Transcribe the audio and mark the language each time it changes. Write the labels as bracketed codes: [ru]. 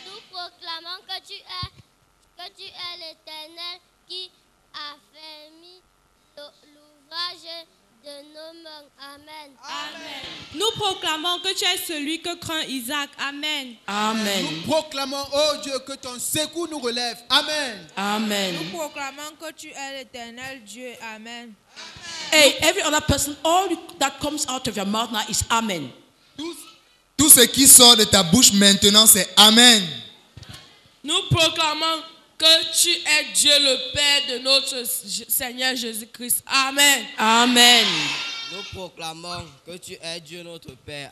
[fr] Nous proclamons que tu es l'Éternel qui a fermé l'ouvrage de nos mains. Amen. Amen. Nous proclamons que tu es celui que craint Isaac. Amen. Amen. Nous proclamons, ô Dieu, que ton secours nous relève. Amen. Amen. Nous proclamons que tu es l'Éternel Dieu. Amen. [en] Hey, every other person, all that comes out of your mouth now is Amen. [fr] Tout ce qui sort de ta bouche maintenant, c'est Amen. Nous proclamons que tu es Dieu le Père de notre Seigneur Jésus-Christ. Amen. Amen. Nous proclamons que tu es Dieu notre Père.